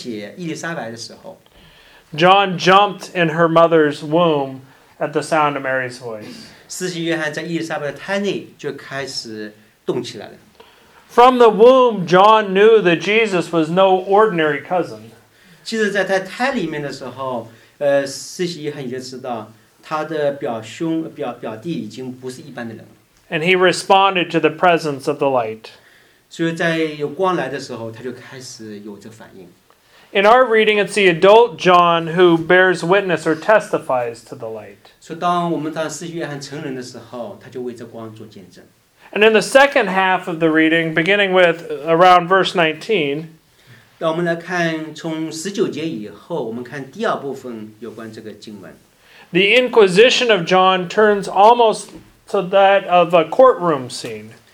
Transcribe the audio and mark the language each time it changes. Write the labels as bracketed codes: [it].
[zh] 当玛利亚去看她的表姐伊丽莎白的时候, [en] John jumped in her mother's womb at the sound of Mary's voice. [zh] 司洗约翰在伊丽莎白的胎内就开始动起来了。 [en] From the womb, John knew that Jesus was no ordinary cousin. [zh] 其实在他胎里面的时候，司洗约翰就知道他的表兄表弟已经不是一般的人了。 [en] And he responded to the presence of the light. [zh] 所以在有光来的时候，他就开始有这反应。 [en] In our reading, it's the adult John who bears witness or testifies to the light. [zh] 所以当我们当司洗约翰成人的时候，他就为这光做见证。 [en] And in the second half of the reading, beginning with around verse 19, [zh] 让我们来看从19节以后，我们看第二部分有关这个经文。 [en] The Inquisition of John turns almost to that of a courtroom scene.